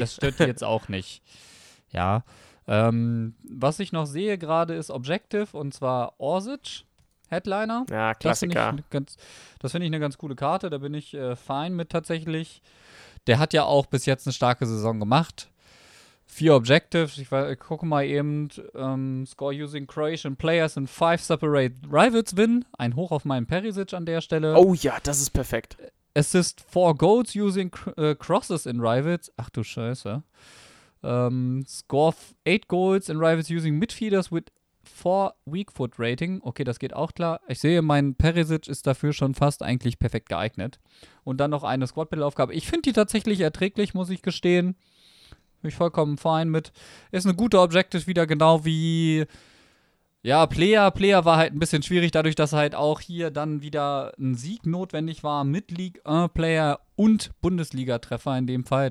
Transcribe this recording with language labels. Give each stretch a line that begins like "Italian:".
German: Das stört die jetzt auch nicht. Ja. Was ich noch sehe gerade ist Objective und zwar Orsic. Headliner. Ja, Klassiker. Das finde ich eine ganz coole Karte. Da bin ich fein mit tatsächlich. Der hat ja auch bis jetzt eine starke Saison gemacht. 4 Objectives. Ich gucke mal eben.
English: Score using Croatian players in 5 separate rivals win.
German: Ein Hoch auf meinen Perisic an der Stelle. Oh ja, das ist perfekt.
English: Assist 4 goals using crosses in rivals.
German: Ach du Scheiße.
English: Score 8 goals in rivals using midfielders with 4 Weak Foot Rating.
German: Okay, das geht auch klar. Ich sehe, mein Perisic ist dafür schon fast eigentlich perfekt geeignet. Und dann noch eine Squad Battle Aufgabe. Ich finde die tatsächlich erträglich, muss ich gestehen. Bin ich vollkommen fein mit. Ist eine gute Objective wieder, genau wie ja, Player war halt ein bisschen schwierig, dadurch, dass halt auch hier dann wieder ein Sieg notwendig war mit League 1 Player und Bundesliga-Treffer in dem Fall.